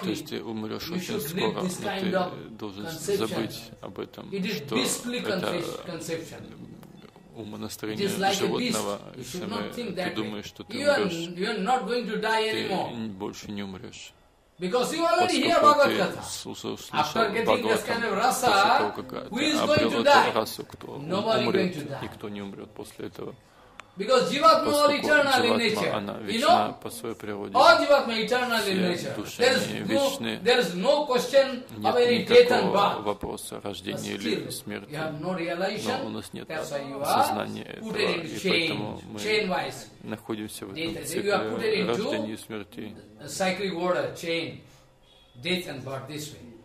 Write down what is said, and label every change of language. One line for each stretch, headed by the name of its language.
Russian: То есть ты умрешь очень скоро, но ты должен забыть об этом, что это умонастроение животного. Ты думаешь, что ты умрешь, ты больше не умрешь. Поскольку ты слышал Бхагаватам, после того, как ты обрел эту расу, кто умрет, никто не умрет после этого.
English: Because jivatma are eternal in nature, you know. All jivatma eternal in nature. There is no question of any death and birth. Still, you have no realization. That's why you are put it in chain-wise.
Russian: Находимся в этом рождении и смерти.
English: Cyclic order, chain, death and birth this way.